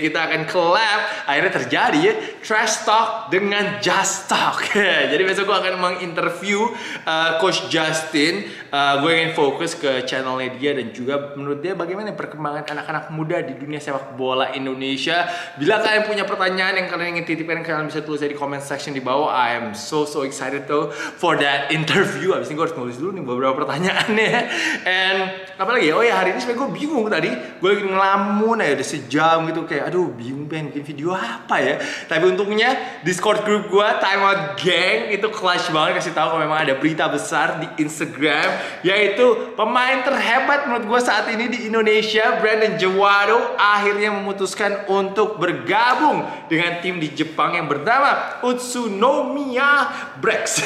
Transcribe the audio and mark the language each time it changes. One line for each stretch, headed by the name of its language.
Indonesian: Kita akan collab, akhirnya terjadi ya, Trash Talk dengan Just Talk. Jadi besok gua akan menginterview Coach Justin. Gua ingin fokus ke channelnya dia dan juga menurut dia bagaimana perkembangan anak-anak muda di dunia sepak bola Indonesia. Bila kalian punya pertanyaan yang kalian ingin titipkan, kalian bisa tulis di comment section di bawah.
English: I am so excited though for that interview.
Indonesian: Abis ini gue harus nulis dulu nih beberapa pertanyaannya.
English: And
Indonesian: apa lagi ya? Oh ya, hari ini sebenernya gue bingung tadi. Gue lagi ngelamun ya, udah sejam gitu. Kayak aduh, bingung pengen bikin video apa ya. Tapi untungnya Discord group gue, Time Out Gang, itu clutch banget kasih tahu kalau memang ada berita besar di Instagram, yaitu pemain terhebat menurut gue saat ini di Indonesia, Brandon Jawaro, akhirnya memutuskan untuk bergabung dengan tim di Jepang yang bernama Utsunomiya Brex.